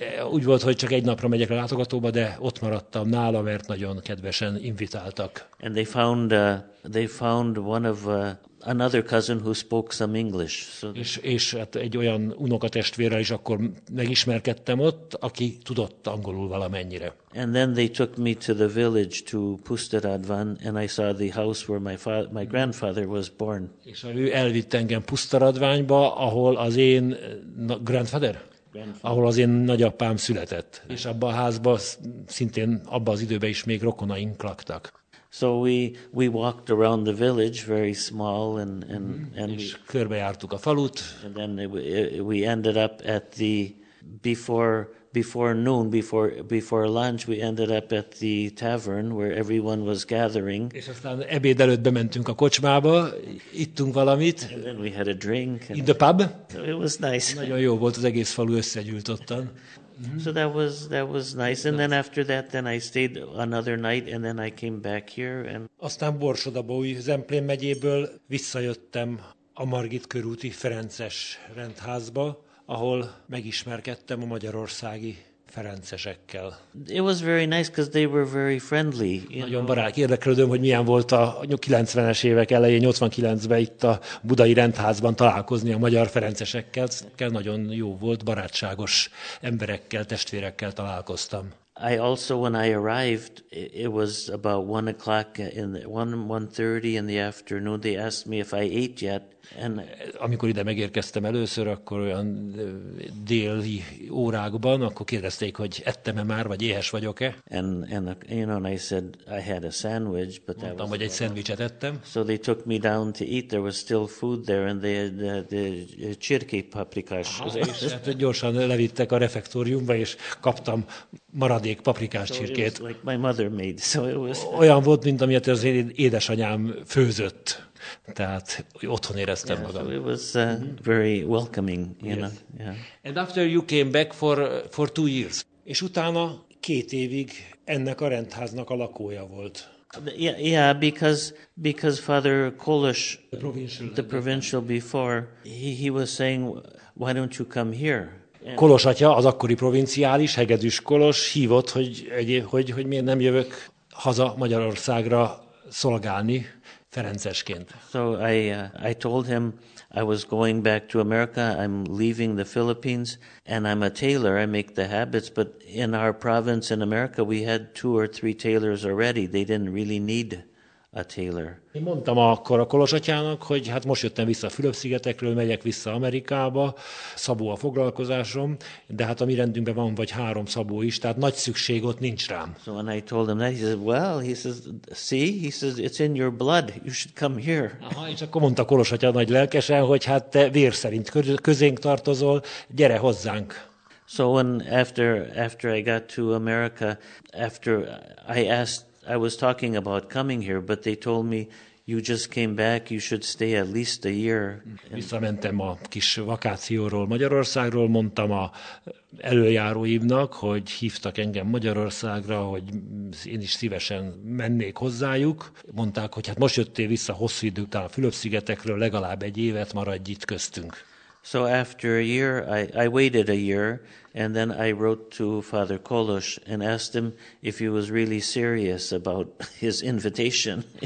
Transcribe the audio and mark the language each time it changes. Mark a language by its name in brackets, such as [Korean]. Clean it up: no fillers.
[Hungarian] Úgy volt, hogy csak egy napra megyek a látogatóba, de ott maradtam nála, mert nagyon kedvesen invitáltak. [English] And they found one of another cousin who spoke some English. [Hungarian] So és hát egy olyan unokatestvérrel is akkor megismerkedtem ott, aki tudott angolul valamennyire. [English] And then they took me to the village to Pusztaradván, and I saw the house where my grandfather was born. [Hungarian] És ő elvitt engem Pusztaradványba, ahol az én grandfather. Ahol az én nagyapám született, és abban a házban szintén abban az időben is még rokonaink laktak. [English] So we walked around the village, very small, and [Hungarian] és körbejártuk a falut. [English] And then we ended up at the before noon, before lunch, we ended up at the tavern where everyone was gathering. [Hungarian] És aztán ebéd előtt bementünk a kocsmába, ittunk valamit. [English] And then we had a drink. In the pub. It was nice. [Hungarian] Nagyon jó volt, az egész falu összegyűlt ottan. [English] So that was nice. And then after that, then I stayed another night, and then I came back here. And [Hungarian] aztán Borsodabói Zemplén megyéből visszajöttem a Margit körúti Ferences rendházba, ahol megismerkedtem a magyarországi ferencesekkel. [English] It was very nice because they were very friendly. [Hungarian] Nagyon barát, érdeklődöm, hogy milyen volt a 90-es évek elején, 89-ben itt a budai rendházban találkozni a magyar ferencesekkel. Nagyon jó volt, barátságos emberekkel, testvérekkel találkoztam. [English] I also, when I arrived, it was about 1 o'clock in the 1:30 in the afternoon. They asked me if I ate yet. [Hungarian] And amikor ide megérkeztem először, akkor olyan déli órákban, akkor kérdezték, hogy ettem-e már, vagy éhes vagyok-e. [English] And I said I had a sandwich, but [Hungarian] mondtam, [English] that was [Hungarian] hogy egy szendvicset ettem. [English] So they took me down to eat. There was still food there, and they had the csirke paprikás. [Hungarian] Gyorsan levittek a refektóriumba, és kaptam maradék paprikás [English] so [Hungarian] csirkét. [English] Like my mother made, so it was [Hungarian] olyan volt, mint amilyet az édesanyám főzött. Tehát otthon éreztem magam. [English] So it was very welcoming, you know. Yeah. And after you came back for 2 years. [Hungarian] És utána 2 évig ennek a rendháznak a lakója volt. [English] Yeah, because Father Kolos, the provincial before, he was saying, why don't you come here? [Hungarian] Kolos atya, az akkori provinciális, Hegedűs Kolos hívott, hogy miért nem jövök haza Magyarországra szolgálni ferencesként. [English] So I told him I was going back to America, I'm leaving the Philippines, and I'm a tailor, I make the habits, but in our province in America we had 2 or 3 tailors already, they didn't really need a tailor. [Hungarian] Én mondtam akkor a Kolos atyának, hogy hát most jöttem vissza a Fülöp-szigetekről, megyek vissza Amerikába, szabó a foglalkozásom, de hát a mi rendünkben van vagy 3 szabó is, tehát nagy szükség ott nincs rám. [English] So when I told him that, he said, well, he says, see, he says, it's in your blood, you should come here. [Hungarian] Aha, és akkor mondta Kolos atya nagy lelkesen, hogy hát te vér szerint közénk tartozol, gyere hozzánk. [English] So when after I got to America, after I asked I was talking about coming here, but they told me you just came back, you should stay at least a year. [Hungarian] Visszamentem a kis vakációról Magyarországról, mondtam a előjáróimnak, hogy hívtak engem Magyarországra, hogy én is szívesen mennék hozzájuk. Mondták, hogy hát most jöttél vissza hosszú idő után a Fülöp-szigetekről, legalább egy évet maradj itt köztünk. [English] So after a year, I waited a year, and then I wrote to Father Kolos and asked him if he was really serious about his invitation.